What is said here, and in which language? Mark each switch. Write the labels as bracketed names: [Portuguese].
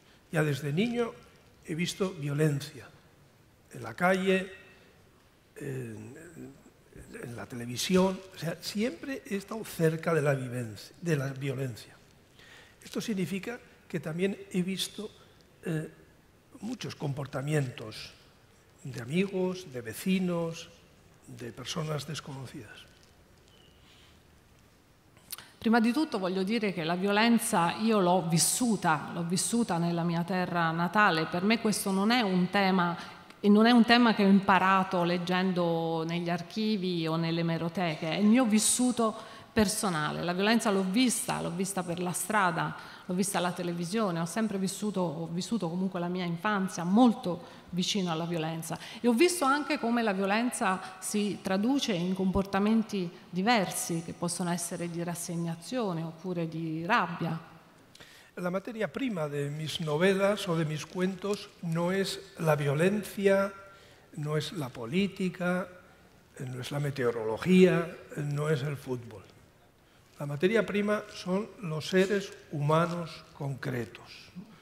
[Spanish] Ya desde niño he visto violencia en la calle, en la televisión, o sea, siempre he estado cerca de la violencia. Esto significa que también he visto muchos comportamientos de amigos, de vecinos, de personas desconocidas. [Italian] Prima di tutto voglio dire che la violenza io l'ho vissuta nella mia terra natale. Per me questo non è un tema E non è un tema che ho imparato leggendo negli archivi o nelle emeroteche, è il mio vissuto personale. La violenza l'ho vista per la strada, l'ho vista alla televisione, ho sempre vissuto, ho vissuto comunque la mia infanzia molto vicino alla violenza. E ho visto anche come la violenza si traduce in comportamenti diversi, che possono essere di rassegnazione oppure di rabbia. [Spanish] La materia prima de mis novelas o de mis cuentos no es la violencia, no es la política, no es la meteorología, no es el fútbol. La materia prima son los seres humanos concretos.